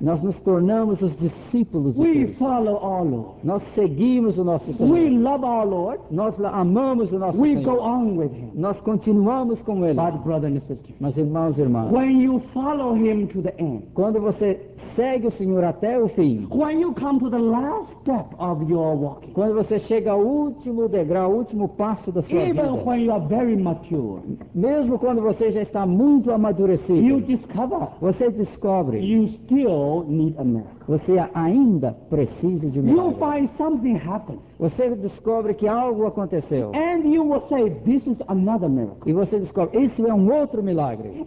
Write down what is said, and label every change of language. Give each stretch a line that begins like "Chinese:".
Portuguese: Nós nos tornamos os discípulos
English: we
Portuguese: de Cristo.
English: We follow our Lord.
Portuguese: Nós seguimos o nosso Senhor.
English: We love our Lord.
Portuguese: Nós amamos o nosso
English: we
Portuguese: Senhor.
English: We go on with him.
Portuguese: Nós continuamos com ele.
English: But brothers and sisters.
Portuguese: Mas irmãos e irmãs.
English: When you follow him to the end.
Portuguese: Quando você segue o Senhor até o fim.
English: When you come to the last step of your walking.
Portuguese: Quando você chega ao último degrau, ao último passo da sua
English: even
Portuguese: vida.
English: Even when you are very mature.
Portuguese: Mesmo quando você já está muito amadurecido.
English: You discover.
Portuguese: Você descobre.
English: You still need a miracle.
Portuguese: Você ainda precisa de um milagre.
English: You find something happened.
Portuguese: Você descobre que algo aconteceu.
English: And you will say, this is another miracle.
Portuguese: E você descobre, isso é um outro milagre.